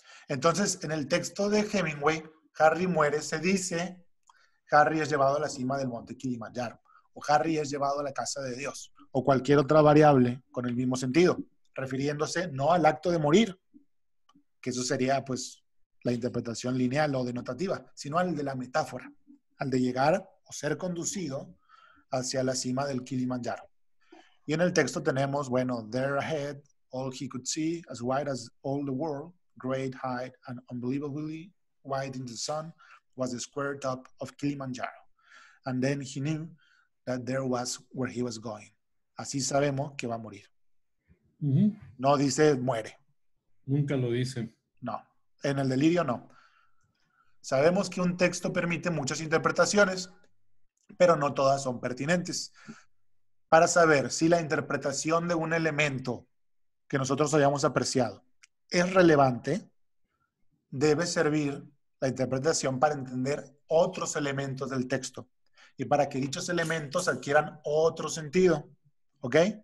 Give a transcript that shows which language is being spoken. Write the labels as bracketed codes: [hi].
[es] Entonces, en el texto de Hemingway, Harry muere, se dice, Harry es llevado a la cima del monte Kilimanjaro, o Harry es llevado a la casa de Dios, o cualquier otra variable con el mismo sentido, refiriéndose no al acto de morir, que eso sería pues la interpretación lineal o denotativa, sino al de la metáfora, al de llegar o ser conducido hacia la cima del Kilimanjaro. Y en el texto tenemos, bueno, [en] there ahead, all he could see, as wide as all the world, great height and unbelievably white in the sun, was the square top of Kilimanjaro. And then he knew that there was where he was going. [es] Así sabemos que va a morir. Uh-huh. No dice muere. Nunca lo dice. No. En el delirio, no. Sabemos que un texto permite muchas interpretaciones, pero no todas son pertinentes. Para saber si la interpretación de un elemento que nosotros hayamos apreciado es relevante, debe servir la interpretación para entender otros elementos del texto y para que dichos elementos adquieran otro sentido. ¿Ok?